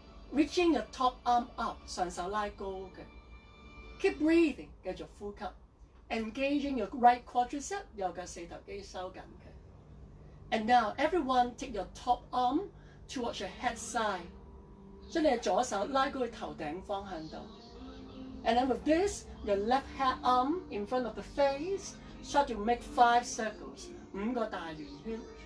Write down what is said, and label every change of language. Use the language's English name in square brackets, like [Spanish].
[English] Reaching your top arm up, [Cantonese] 上手拉高的. [English] Keep breathing, [Cantonese] 繼續呼吸. [English] Engaging your right quadricep, [Cantonese] 右腳四頭肌收緊的. [English] And now, everyone, take your top arm towards your head side. [Cantonese] 將你的左手拉高去頭頂方向度. [English] And then with this, your left hand arm in front of the face, start to make 5 circles, [Cantonese] 5個大圓圈.